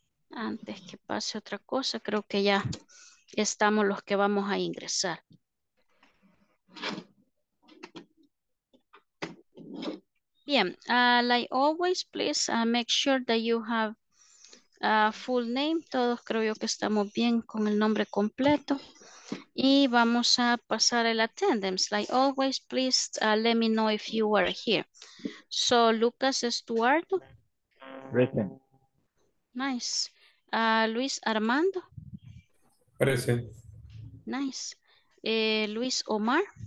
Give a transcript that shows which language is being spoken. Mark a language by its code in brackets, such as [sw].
[es] Antes que pase otra cosa, creo que ya estamos los que vamos a ingresar. Bien, [en] like always, please make sure that you have a full name. [es] Todos creo yo que estamos bien con el nombre completo. Y vamos a pasar el attendance. [en] Like always, please let me know if you are here. So, Lucas Estuardo. Present. Nice. Luis Armando. Present. Nice. Luis Omar.